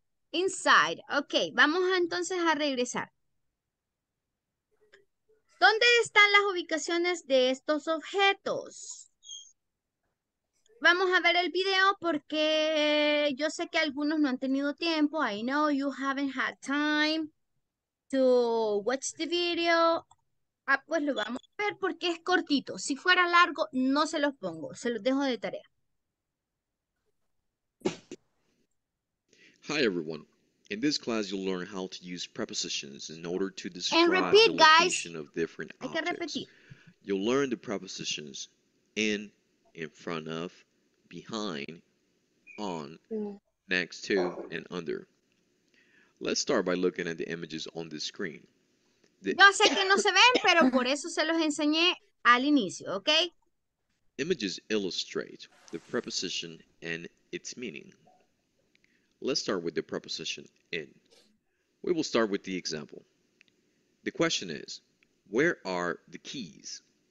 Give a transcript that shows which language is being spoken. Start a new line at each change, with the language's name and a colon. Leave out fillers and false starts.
English: inside,
Spanish: ok, vamos entonces a regresar. ¿Dónde están las ubicaciones de estos objetos? Vamos a ver el video porque yo sé que algunos no han tenido tiempo.
English: I know you haven't had time to watch the video.
Spanish: Ah, pues lo vamos a ver porque es cortito. Si fuera largo, no se los pongo. Se los dejo de tarea.
English: Hi, everyone. In this class, you'll learn how to use prepositions in order to describe and repeat, the location guys. Of different
Spanish: Hay que repetir.
English: Objects. You'll learn the prepositions in front of, behind, on, next to, and under. Let's start by looking at the images on the screen.
Spanish: Yo sé que no se ven, pero por eso se los enseñé al inicio, okay?
English: Images illustrate the preposition and its meaning. Let's start with the preposition in. We will start with the example. The question is, where are the keys?